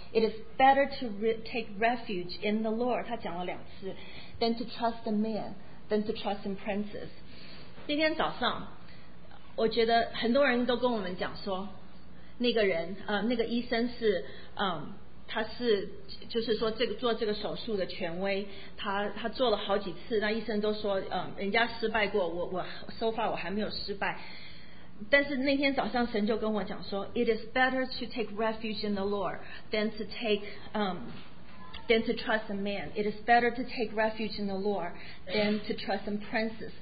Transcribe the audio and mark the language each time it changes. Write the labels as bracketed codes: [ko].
[en] It is better to take refuge in the Lord. [zh] 他讲了两次 [en] than to trust in man, than to trust in princes. [zh] 今天早上，我觉得很多人都跟我们讲说，那个人那个医生是他是就是说这个做这个手术的权威，他做了好几次，那医生都说人家失败过，我 [en] so far [zh] 我还没有失败。但是那天早上神就跟我讲说 [en] It is better to take refuge in the Lord than to take than to trust in man. It is better to take refuge in the Lord than to trust in princes.